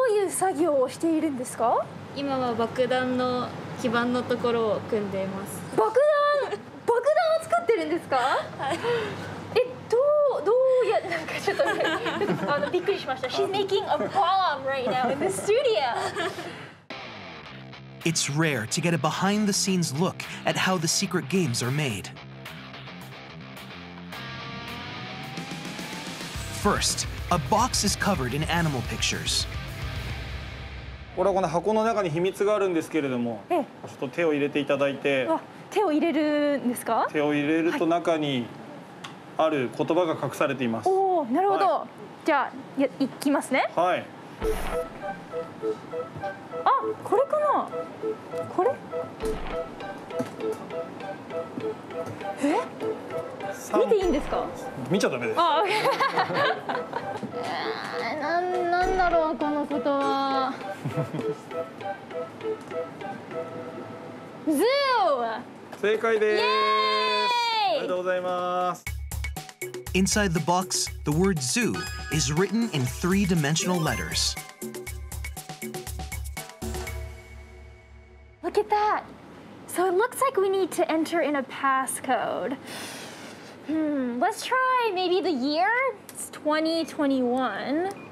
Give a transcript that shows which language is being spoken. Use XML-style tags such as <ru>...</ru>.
<ja>作業をしているんですか？今は爆弾の基板のところを組んでいます。爆弾、爆弾を作ってるんですか？はい。どうやなんかちょっとびっくりしました。</ja> <en>She's making a bomb right now in the studio. It's rare to get a behind the scenes look at how the secret games are made. First, a box is covered in animal pictures</en> <ja>これはこの箱の中に秘密があるんですけれども、ええ、ちょっと手を入れていただいて。手を入れるんですか？手を入れると中にある言葉が隠されています。はい、おー、なるほど。はい、じゃあ、いきますね。はい。あ、これかな？これ？え？見ていいんですか？見ちゃダメです。あ、オッケー。なんだろう、このことは。</ja> <en>Zoo!</en> <ja>正解です。ありがとうございます。</ja> <en>Inside the box, the word zoo is written in three-dimensional letters.</en> <ja>開けた。</ja> <en>So it looks like we need to enter in a passcode. Let's try maybe the year. It's 2021.</en>